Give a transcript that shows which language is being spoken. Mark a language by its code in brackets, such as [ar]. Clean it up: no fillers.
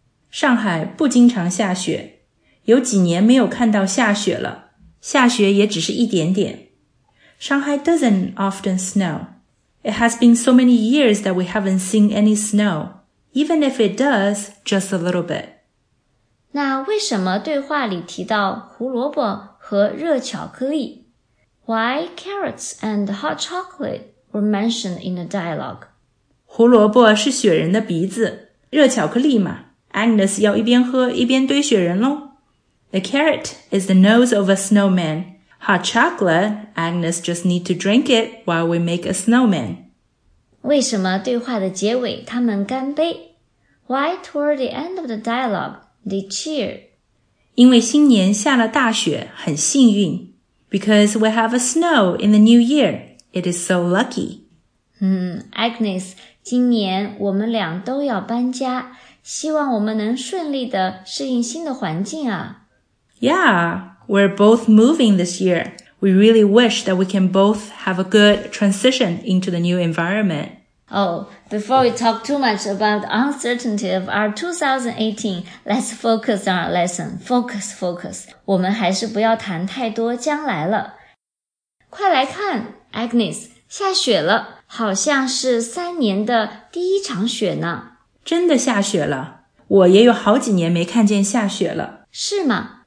[zh] 上海不经常下雪有几年没有看到下雪了下雪也只是一点点 [en] Shanghai doesn't often snow It has been so many years that we haven't seen any snow, even if it does, just a little bit. [zh] 那为什么对话里提到胡萝卜和热巧克力? [en] Why carrots and hot chocolate were mentioned in the dialogue? [zh] 胡萝卜是雪人的鼻子,热巧克力嘛。 Agnes 要一边喝一边堆雪人咯。 [en] The carrot is the nose of a snowman. Hot chocolate, Agnes just need to drink it while we make a snowman. [zh] 为什么对话的结尾他们干杯? [en] Why toward the end of the dialogue, they cheer? [zh] 因为新年下了大雪,很幸运。 [en] Because we have a snow in the new year, it is so lucky. [zh] Agnes, 今年我们俩都要搬家,希望我们能顺利地适应新的环境啊。 [en] Yeah. We're both moving this year. We really wish that we can both have a good transition into the new environment. Oh, before we talk too much about the uncertainty of our 2018, let's focus on our lesson. Focus, focus. [zh] 我们还是不要谈太多将来了。快来看 ,Agnes, 下雪了。好像是三年的第一场雪呢。真的下雪了。我也有好几年没看见下雪了。是吗?